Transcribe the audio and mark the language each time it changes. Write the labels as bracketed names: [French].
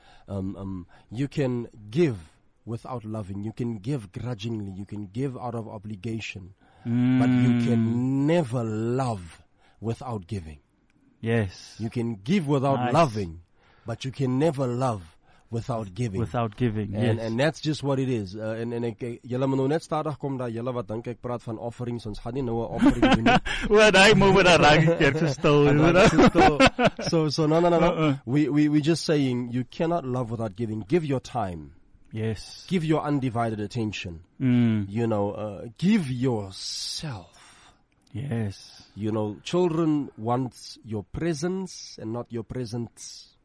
[English] You can give without loving. You can give grudgingly. You can give out of obligation. But you can never love without giving. Yes. You can give without loving, but you can never love without giving. Without giving, And that's just what it is. [Afrikaans] Julle moet nou net stadig kom dat julle wat dink ek praat van offerings, ons gaan nie nou 'n offering doen nie. Wat hy moet met 'n rangie keer te stil. [English] So no. We just saying, you cannot love without giving. Give your time. Yes. Give your undivided attention. You know, give yourself. Yes. You know, children want your presence and not your presence.